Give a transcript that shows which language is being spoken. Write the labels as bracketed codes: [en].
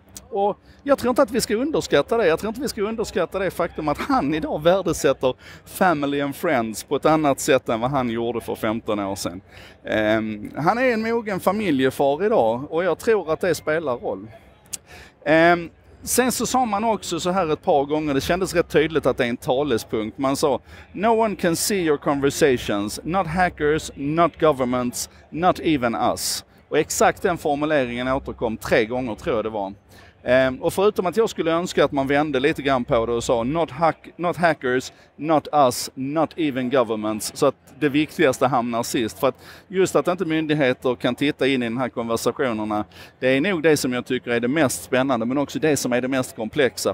[sv] Och jag tror inte att vi ska underskatta det. Jag tror inte vi ska underskatta det faktum att han idag värdesätter [en] family and friends [sv] på ett annat sätt än vad han gjorde för 15 år sedan. Han är en mogen familjefar idag, och jag tror att det spelar roll. Sen så sa man också så här ett par gånger, det kändes rätt tydligt att det är en talespunkt. [en] Man sa, no one can see your conversations, not hackers, not governments, not even us. [sv] Och exakt den formuleringen återkom tre gånger, tror jag det var. Och förutom att jag skulle önska att man vände lite grann på det och sa, [en] not hackers, not us, not even governments. [sv] Så att det viktigaste hamnar sist. För att just att inte myndigheter kan titta in i de här konversationerna, det är nog det som jag tycker är det mest spännande, men också det som är det mest komplexa.